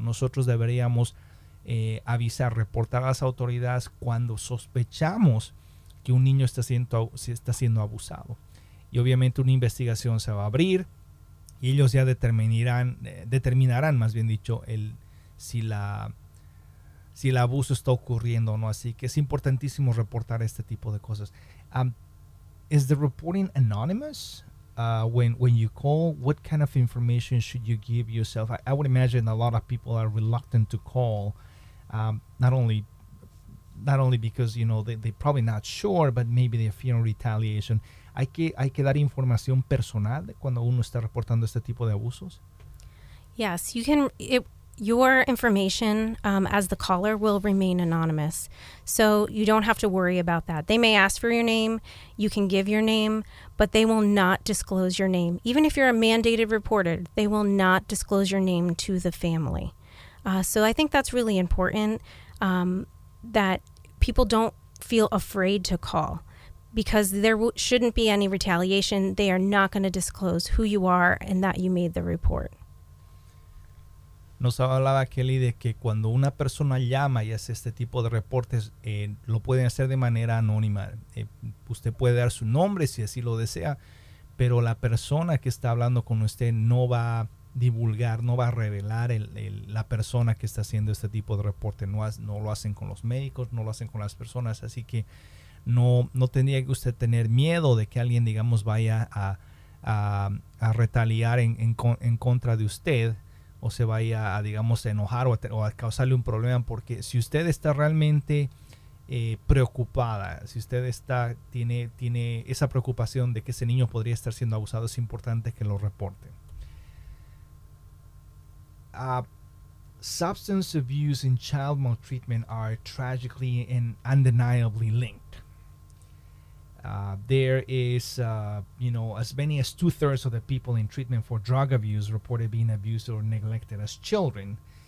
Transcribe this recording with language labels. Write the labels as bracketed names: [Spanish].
[Spanish] Nosotros deberíamos avisar, reportar a las autoridades cuando sospechamos que un niño está siendo abusado. Y obviamente una investigación se va a abrir y ellos ya determinarán, más bien dicho, si el abuso está ocurriendo o no. Así que es importantísimo reportar este tipo de cosas. [English] Is the reporting anonymous? When you call, what kind of information should you give yourself? I would imagine a lot of people are reluctant to call, not only because, you know, they're probably not sure, but maybe they fear retaliation. [Spanish] Hay que dar información personal cuando uno está reportando este tipo de abusos. [English] Yes, you can. Your information as the caller will remain anonymous, so you don't have to worry about that. They may ask for your name. You can give your name, but they will not disclose your name. Even if you're a mandated reporter, they will not disclose your name to the family. So I think that's really important. That people don't feel afraid to call, because there shouldn't be any retaliation. They are not going to disclose who you are and that you made the report. [Spanish] Nos hablaba Kelly de que cuando una persona llama y hace este tipo de reportes, lo pueden hacer de manera anónima. Usted puede dar su nombre si así lo desea, pero la persona que está hablando con usted no va a divulgar, no va a revelar la persona que está haciendo este tipo de reporte. No lo hacen con los médicos, no lo hacen con las personas, así que no tendría que usted tener miedo de que alguien, digamos, vaya a retaliar en contra de usted, o se vaya a, digamos, enojar o a causarle un problema, porque si usted está realmente preocupada, si usted tiene esa preocupación de que ese niño podría estar siendo abusado, es importante que lo reporte. [English] Substance abuse and child maltreatment are tragically and undeniably linked. There is, you know, as many as 2/3 of the people in treatment for drug abuse reported being abused or neglected as children.